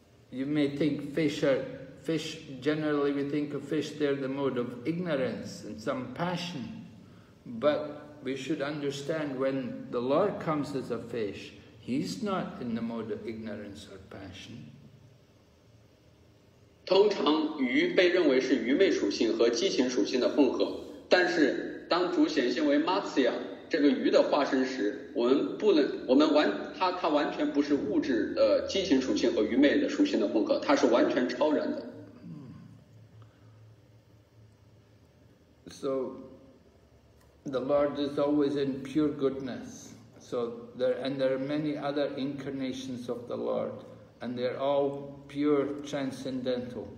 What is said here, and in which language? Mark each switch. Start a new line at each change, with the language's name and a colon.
English: You may think fish, generally we think of fish, they're the mode of ignorance and some passion. But we should understand when the Lord comes as a fish, He's not in the mode of ignorance or passion.
Chinese: 通常鱼被认为是愚昧属性和激情属性的混合，但是当主显现为 Matsya 这个鱼的化身时，它完全不是物质的激情属性和愚昧的属性的混合，它是完全超然的。
English: So, the Lord is always in pure goodness. So, there are many other incarnations of the Lord, and they're all pure transcendental.